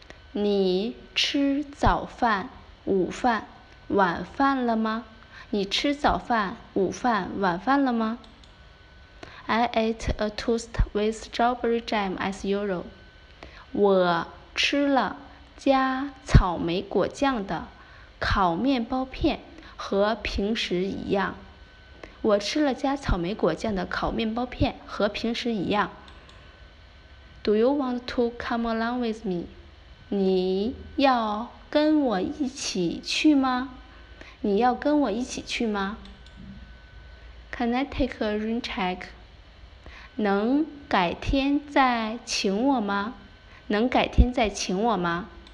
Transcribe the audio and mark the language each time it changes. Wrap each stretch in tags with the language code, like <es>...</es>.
<zh>你吃早饭、午饭、晚饭了吗？你吃早饭、午饭、晚饭了吗？</zh> <en>I ate a toast with strawberry jam as usual.</en> <zh>我吃了加草莓果酱的烤面包片和平时一样。我吃了加草莓果酱的烤面包片和平时一样。</zh> <en>Do you want to come along with me?</en> <zh>你要跟我一起去吗？你要跟我一起去吗？</zh> <en>Can I take a rain check?</en> <zh>能改天再请我吗？能改天再请我吗？</zh>